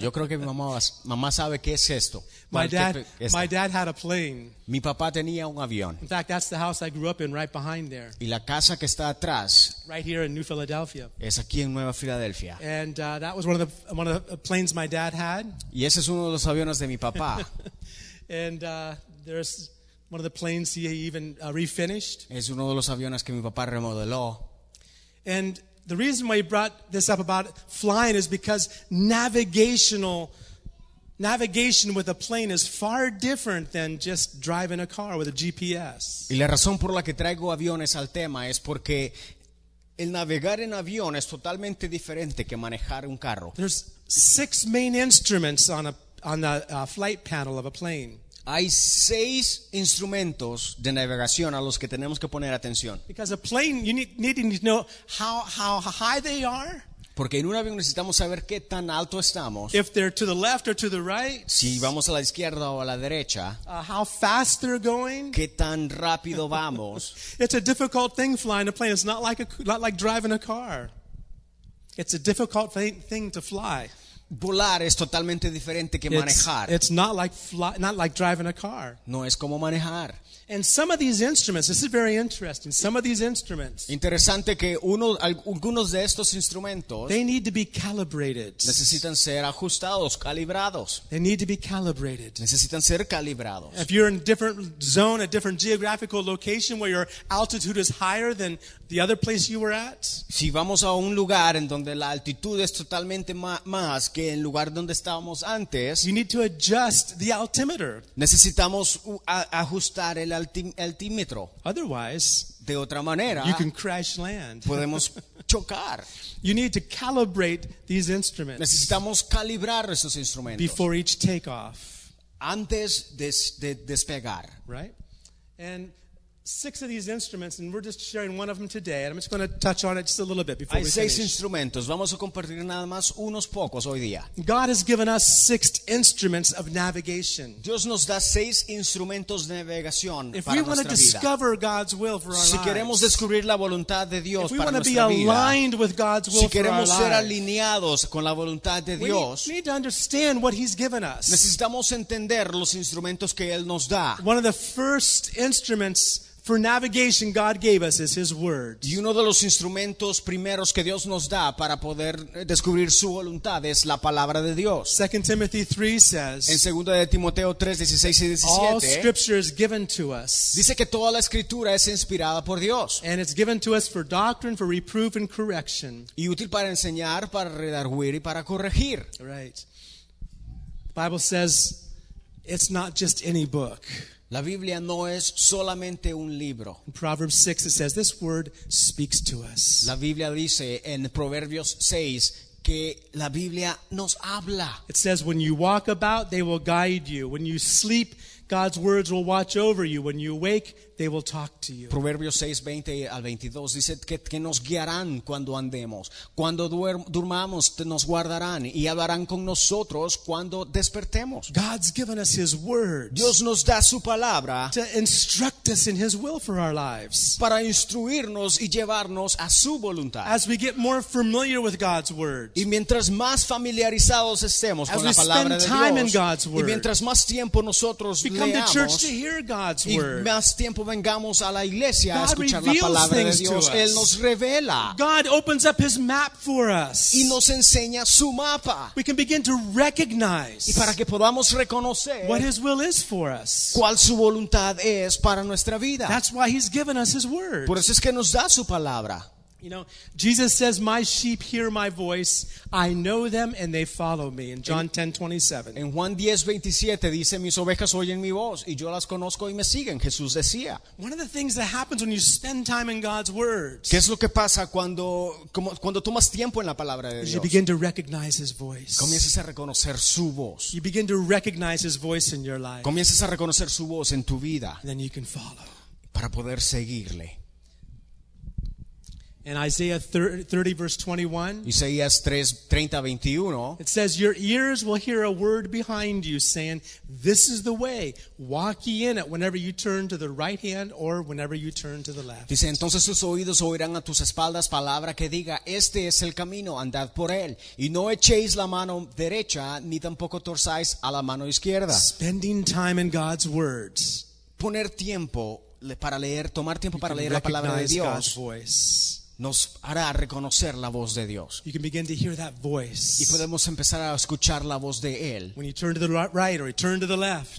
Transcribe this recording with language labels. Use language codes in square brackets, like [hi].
[es] Yo creo que mi mamá sabe qué es esto. [en] My dad had a plane. [es] Mi papá tenía un avión. [en] In fact, that's the house I grew up in right behind there. [es] Y la casa que está atrás. [en] Right here in New Philadelphia. [es] Es aquí en Nueva Filadelfia. [en] And that was one of the planes my dad had. [es] Y ese es uno de los aviones de mi papá. [en] And there's one of the planes he even refinished. [es] Es uno de los aviones que mi papá remodeló. [en] And the reason why he brought this up about flying is because navigation with a plane is far different than just driving a car with a GPS. [es] Y la razón por la que traigo aviones al tema es porque el navegar en avión es totalmente diferente que manejar un carro. [en] There's six main instruments on the flight panel of a plane. [es] Hay seis instrumentos de navegación a los que tenemos que poner atención. [en] Because a plane, you need to know how high they are. [es] Porque en un avión necesitamos saber qué tan alto estamos. [en] If they're to the left or to the right. [es] Si vamos a la izquierda o a la derecha. [en] How fast they're going. [es] Qué tan rápido vamos. [en] It's a difficult thing flying a plane. It's not like driving a car. It's a difficult thing to fly. [es] Volar es totalmente diferente que manejar. [en] It's not like driving a car. [es] No es como manejar. [en] And some of these instruments, this is very interesting. Some of these instruments. [es] Interesante que algunos de estos instrumentos. [en] They need to be calibrated. [es] Necesitan ser ajustados, calibrados. [en] They need to be calibrated. [es] Necesitan ser calibrados. [en] If you're in a different zone, a different geographical location where your altitude is higher than the other place you were at. [es] Si vamos a un lugar en donde la altitud es totalmente más que el lugar donde estábamos antes. [en] You need to adjust the altimeter. [es] Necesitamos ajustar el altímetro. [en] Otherwise, [es] de otra manera, [en] you can crash land. [es] Podemos chocar. [en] You need to calibrate these instruments. [es] Necesitamos calibrar esos instrumentos. [en] Before each takeoff. [es] Antes de despegar. [en] Right? And six of these instruments, and we're just sharing one of them today, and I'm just going to touch on it just a little bit before [es] Hay [en] we [es] seis [en] finish. [es] Instrumentos. Vamos a compartir nada más unos pocos hoy día. [en] God has given us six instruments of navigation. [es] Dios nos da seis instrumentos de navegación [en] if [es] para [en] we [es] nuestra [en] want to discover God's will for our [es] si queremos [en] lives, [es] descubrir la voluntad de Dios [en] if we [es] para [en] want to be [es] vida, [en] aligned with God's will [es] si queremos [en] for our [es] ser [en] lives, [es] alineados con la voluntad de Dios, [en] we need to understand what He's given us. [es] Necesitamos entender los instrumentos que Él nos da. [en] One of the first instruments for navigation God gave us is His Word. [es] Y uno de los instrumentos primeros que Dios nos da para poder descubrir su voluntad es la palabra de Dios. [en] 2 Timothy 3 says, [es] en 2 de Timoteo 3, 16 y 17, [en] all Scripture is given to us. [es] Dice que toda la Escritura es inspirada por Dios. [en] And it's given to us for doctrine, for reproof and correction. [es] Y útil para enseñar, para redarguir y para corregir. [en] Right. The Bible says, it's not just any book. [es] La Biblia no es solamente un libro. [en] In Proverbs 6 it says this word speaks to us. [es] La Biblia dice en Proverbios 6 que la Biblia nos habla. [en] It says when you walk about they will guide you. When you sleep God's words will watch over you. When you wake they will talk to you. [es] Proverbios 6, 20 al 22 dice que nos guiarán cuando andemos. Cuando durmamos nos guardarán y hablarán con nosotros cuando despertemos. [en] God's given us His words. [es] Dios nos da su palabra [en] to instruct us in His will for our lives. [es] Para instruirnos y llevarnos a su voluntad. [en] As we get more familiar with God's words. [es] Y mientras más familiarizados estemos con la palabra de Dios. [en] As we spend time in God's word. [es] Y mientras más tiempo nosotros leamos. [en] Come to church to hear God's word. [es] Y más tiempo vengamos a la iglesia a escuchar la palabra de Dios. Él nos revela. [en] God opens up His map for us. [es] Y nos enseña su mapa. [en] We can begin to recognize. [es] Y para que podamos reconocer [en] what His will is for us. [es] Cuál su voluntad es para nuestra vida. [en] That's why He's given us His word. [es] Por eso es que nos da su palabra. [en] You know, Jesus says, "My sheep hear my voice. I know them, and they follow me." In John 10:27. [es] En Juan 10:27 dice, "Mis ovejas oyen mi voz, y yo las conozco y me siguen." Jesús decía. [en] One of the things that happens when you spend time in God's word. [es] ¿Qué es lo que pasa cuando tomas tiempo en la palabra de Dios? [en] You begin to recognize His voice. [es] Comienzas a reconocer su voz. [en] You begin to recognize His voice in your life. [es] Comienzas a reconocer su voz en tu vida. [en] And then you can follow. [es] Para poder seguirle. [en] In Isaiah 30, verse 21, [es] Isaías 30, 21, [en] it says, "Your ears will hear a word behind you saying, 'This is the way, walk ye in it,' whenever you turn to the right hand or whenever you turn to the left." [es] Dice, entonces tus oídos oirán a tus espaldas palabra que diga, este es el camino, andad por él, y no echéis la mano derecha, ni tampoco torzáis a la mano izquierda. [en] Spending time in God's words. [es] Poner tiempo para leer, tomar tiempo para leer la palabra de Dios. [en] God's voice. [es] Nos hará reconocer la voz de Dios. [en] You can begin to hear that voice. [es] Y podemos empezar a escuchar la voz de Él. [en] When you turn to the right or you turn to the left.